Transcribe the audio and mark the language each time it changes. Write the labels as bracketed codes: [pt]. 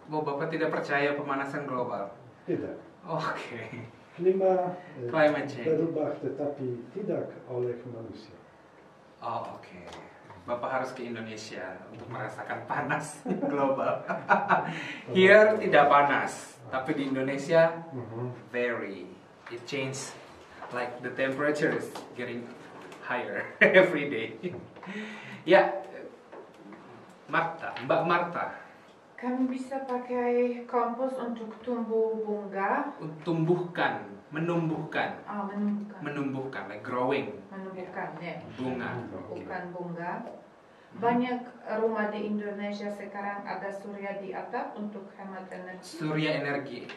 [id] Oh, Bapak tidak percaya pemanasan global? Tidak. Oke. Klima berubah tetapi tidak oleh manusia. Oh, oke. Bapak harus ke Indonesia untuk merasakan panas global. [en] Here [id] tidak panas, tapi di Indonesia [en] very. It changes like the temperature is getting higher every day. [id] Ya, Marta, Mbak Marta. Kamu bisa pakai kompos untuk tumbuh bunga? Menumbuhkan. Ah, menumbuhkan. Menumbuhkan, [en] like growing. [id] Menumbuhkan, ya. [en] Yeah. [id] Bunga. Bukan bunga. Banyak rumah di Indonesia sekarang ada surya di atap untuk hemat energi.